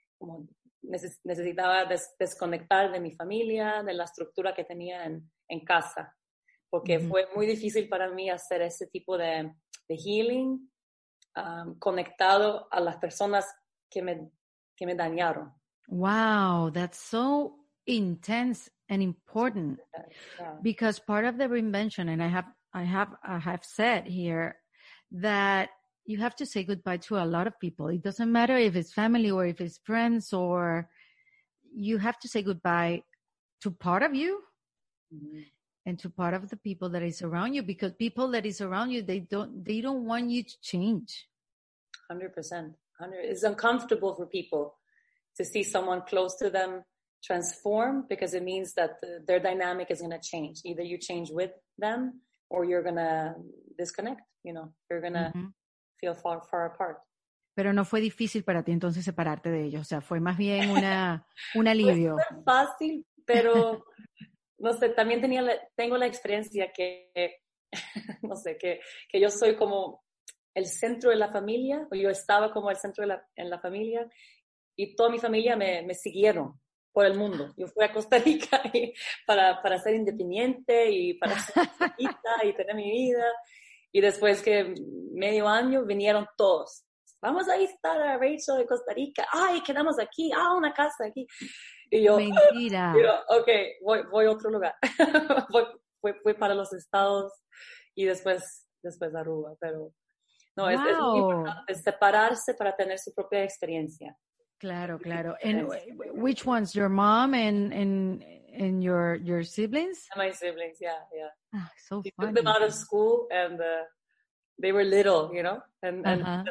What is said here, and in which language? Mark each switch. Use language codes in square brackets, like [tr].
[es] Como necesitaba desconectar de mi familia, de la estructura que tenía en casa. Porque mm-hmm. fue muy difícil para mí hacer ese tipo de [en] healing [es] conectado a las personas que me dañaron. [en] Wow, that's so intense and important. Because part of the reinvention, and I have said here that you have to say goodbye to a lot of people. It doesn't matter if it's family or if it's friends, or you have to say goodbye to part of you mm-hmm. and to part of the people that is around you, because people that is around you, they don't want you to change. 100%. It's uncomfortable for people to see someone close to them transform, because it means that their dynamic is going to change. Either you change with them or you're going to disconnect, you know, you're going to, mm-hmm. feel far apart. [es] Pero no fue difícil para ti entonces separarte de ellos, o sea, fue más bien un alivio. Fue fácil, pero no sé, también tengo la experiencia que no sé, que yo soy como el centro de la familia, o yo estaba como el centro en la familia, y toda mi familia me siguieron por el mundo. Yo fui a Costa Rica para ser independiente y para ser chiquita y tener mi vida. Y después que medio año vinieron todos. Vamos a visitar a Rachel de Costa Rica. Ay, quedamos aquí. Ah, una casa aquí. Y yo, mentira. Y yo, okay, voy a otro lugar. fui para los Estados y después a Aruba. Pero no, [en] wow. [es] es muy importante separarse para tener su propia experiencia. Claro, claro. [en] And which ones? Your mom and your siblings? And my siblings, yeah, yeah. Oh, so we funny. Took them out of school and they were little, you know, and uh-huh.